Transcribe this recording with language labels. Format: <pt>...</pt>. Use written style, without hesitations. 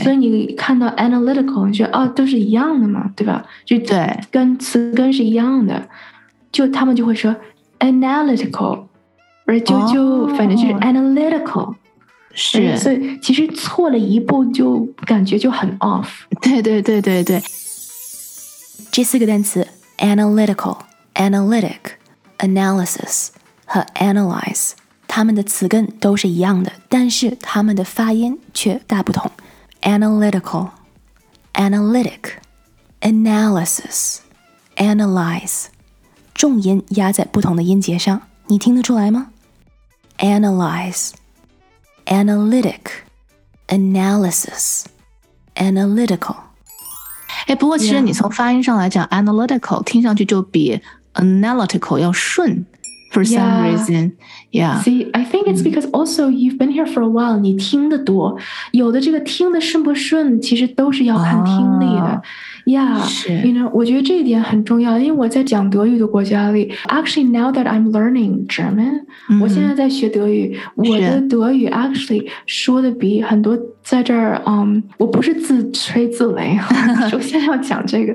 <zh>所以你看到 analytical, 你觉得哦，都是一样的嘛，对吧？就对，跟词根是一样的，就他们就会说 analytical, 就反正就是 analytical, 是。所以其实错了一步就感觉就很 off。对对对对对。这四个单词 analytical, analytic, analysis 和 analyze。他们的词根都是一样的，但是他们的发音却大不同。 Analytical, analytic, analysis, analyze, 重音压在不同的音节上，你听得出来吗？</zh> <en>Analyze, analytic, analysis, analytical。</en> <zh>哎，不过其实你从发音上来讲、analytical 听上去就比 analytical 要顺。</zh> <en>For some reason, See, I think it's because also you've been here for a while.</en> <zh>你听得多，有的这个听得顺不顺，其实都是要看听力的。 You know, 我觉得这一点很重要，因为我在讲德语的国家里。 Actually, now that I'm learning German,、我现在在学德语，我的德语 actually 说的比很多在这儿，我不是自吹自擂，首先要讲这个。</zh>